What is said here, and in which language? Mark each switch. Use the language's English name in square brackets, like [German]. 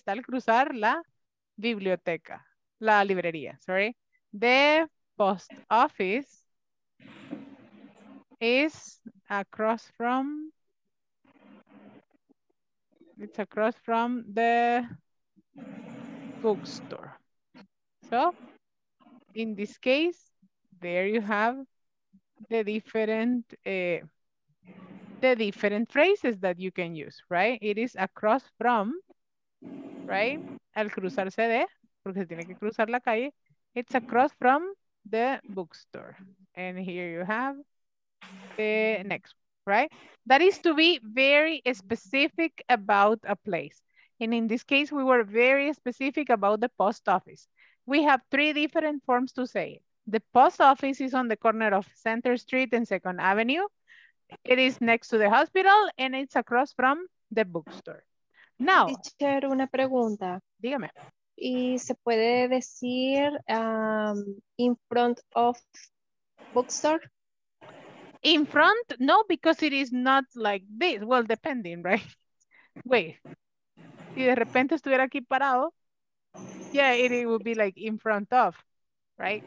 [Spanish] Está al cruzar la biblioteca, la librería, sorry. [English] The post office is across from, it's across from the bookstore. So, in this case, there you have the different phrases that you can use, right? It is across from, right? [Spanish] Al cruzarse de, porque se tiene que cruzar la calle. [English] It's across from the bookstore. And here you have the next, right? That is to be very specific about a place. And in this case, we were very specific about the post office. We have three different forms to say it. The post office is on the corner of Center Street and Second Avenue. It is next to the hospital and it's across from the bookstore. Now, [Spanish] teacher, una pregunta. Dígame. ¿Y se puede decir [English] in front of bookstore? In front? No, because it is not like this. Well, depending, right? Wait. [Spanish] Si de repente estuviera aquí parado, [English] yeah, it would be like in front of, right?